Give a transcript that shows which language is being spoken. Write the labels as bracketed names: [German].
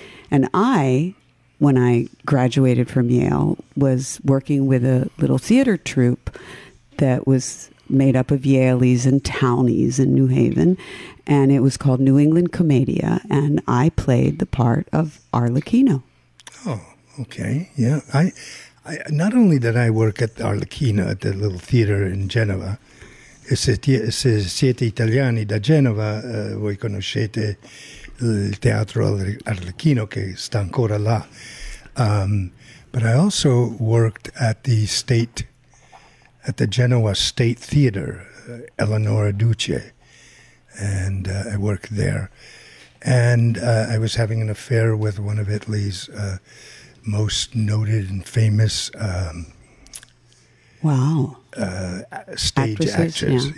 [English] And I, when I graduated from Yale, was working with a little theater troupe that was made up of Yalies and Townies in New Haven, and it was called New England Commedia, and I played the part of Arlecchino. Oh, okay. Yeah. I not only did I work at Arlecchino, at the little theater in Genova, [Italian] se siete italiani da Genova, voi conoscete il teatro Arlecchino, che sta ancora là. [English] But I also worked at the state, at the Genoa State Theater, Eleonora Duce, and I worked there. And I was having an affair with one of Italy's most noted and famous stage actresses.